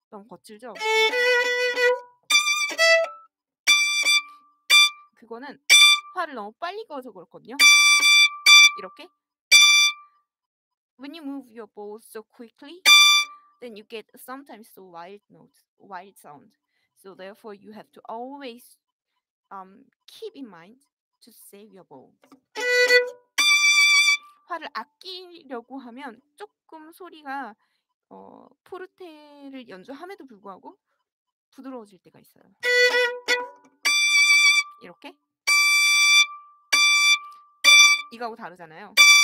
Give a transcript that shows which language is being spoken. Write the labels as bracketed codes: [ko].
[ko] 거칠죠? 그거는 활을 너무 빨리 그어서 그렇거든요. 이렇게 [en] When you move your bow so quickly, then you get sometimes the wild notes, wild sound. So therefore you have to always keep in mind to save your bow. [ko] 활을 아끼려고 하면 조금 소리가 포르테를 연주함에도 불구하고 부드러워질 때가 있어요. 이렇게 이거하고 다르잖아요.